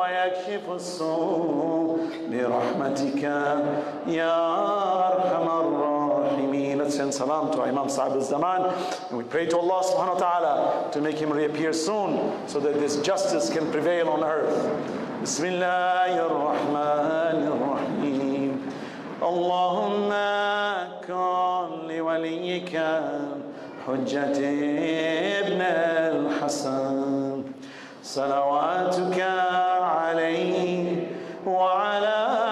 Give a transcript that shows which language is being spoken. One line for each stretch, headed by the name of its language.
Arabic: كاشف السوء برحمتك يا أرحم الراحمين.
English: Let's send salam to Imam Sa'ib al-Zaman. And we pray to Allah subhanahu wa ta'ala to make him reappear soon so that this justice can prevail on earth.
Arabic: بسم الله الرحمن الرحيم. اللهم كن لوليك حجة ابن الحسن صلواتك عليه وعلى